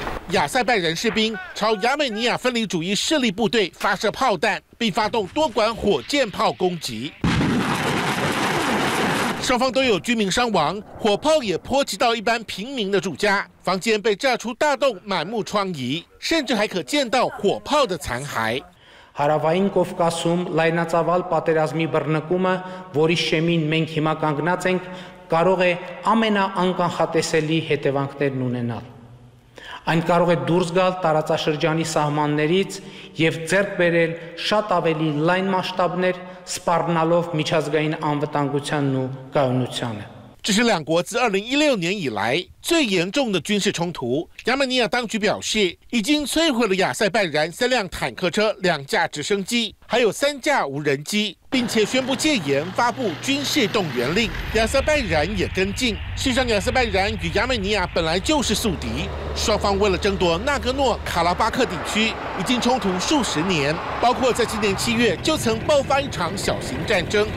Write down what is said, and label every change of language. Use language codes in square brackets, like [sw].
[zh] 亚塞拜然士兵朝亚美尼亚分离主义势力部队发射炮弹，并发动多管火箭炮攻击，双方都有居民伤亡，火炮也波及到一般平民的住家，房间被炸出大洞，满目疮痍，甚至还可见到火炮的残骸。 [hy] Հարավային Կովկասում լայնածավալ պատերազմի բռնկումը, որի շեմին մենք հիմա կանգնած ենք, կարող է ամենաանկանխատեսելի հետևանքներ ունենալ. Այն կարող է դուրս գալ տարածաշրջանի սահմաններից և ձեռք բերել շատ ավելի լայն մասշտաբներ, սպառնալով միջազգային անվտանգությանն ու կայունությանը. [zh] 这是两国自2016年以来最严重的军事冲突。亚美尼亚当局表示，已经摧毁了亚塞拜然3辆坦克车、2架直升机，还有3架无人机，并且宣布戒严，发布军事动员令。亚塞拜然也跟进。事实上，亚塞拜然与亚美尼亚本来就是宿敌，双方为了争夺纳戈诺卡拉巴克地区，已经冲突数十年，包括在今年7月就曾爆发一场小型战争。